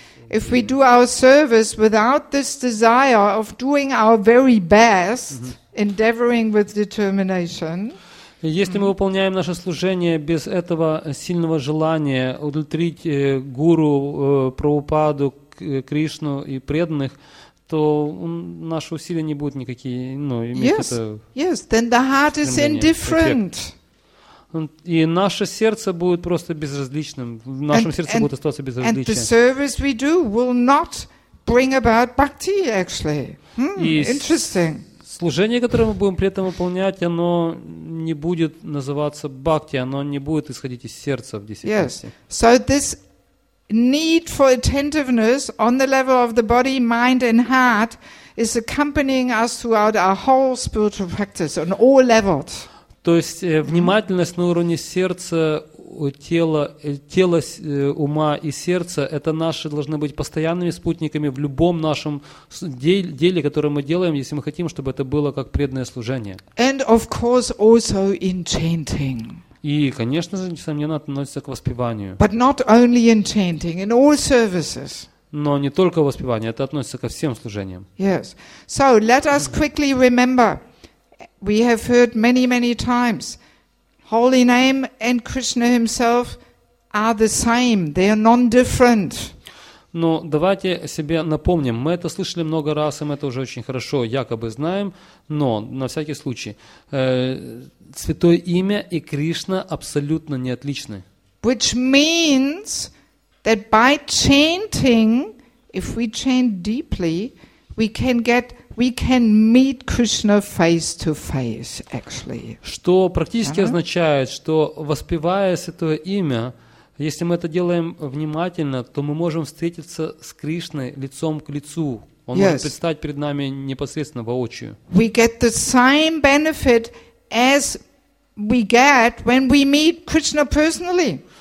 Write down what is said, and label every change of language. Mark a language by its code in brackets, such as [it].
[en] If we do our service without this desire of doing our very best, endeavoring with determination. [ru] Если мы выполняем наше служение без этого сильного желания удовлетворить гуру, Прабхупаду, Кришну и преданных, то наши усилия не будут никакие, ну, иметь это. [en] Yes, then the heart is indifferent. [ru] И наше сердце будет просто безразличным. В нашем сердце будет оставаться безразличным. [en] And the service we do will not bring about bhakti, actually. Interesting. [ru] Служение, которое мы будем при этом выполнять, оно не будет называться бхакти, оно не будет исходить из сердца в действительности. [en] Yes. So this need for attentiveness on the level of the body, mind and heart is accompanying us throughout our whole spiritual practice on all levels. [ru] То есть внимательность на уровне сердца, тела, ума и сердца – это наши должны быть постоянными спутниками в любом нашем деле, которое мы делаем, если мы хотим, чтобы это было как преданное служение. [en] And of course also in chanting. [ru] И, конечно же, несомненно, относится к воспеванию. [en] But not only in chanting, in all services. [ru] Но не только воспевание, это относится ко всем служениям. [en] Yes. So let us quickly remember. We have heard many, many times, holy name and Krishna himself are the same. They are non-different. [ru] Но давайте себе напомним. Мы это слышали много раз, и мы это уже очень хорошо якобы знаем, но на всякий случай. Святое имя и Кришна абсолютно не отличны. [en] Which means that by chanting, if we chant deeply, we can meet Krishna face to face, actually. [ru] Что практически означает, что воспевая Святое Имя, если мы это делаем внимательно, то мы можем встретиться с Кришной лицом к лицу. Он может предстать перед нами непосредственно воочию. [en] We get the same benefit as we get when we meet Krishna personally.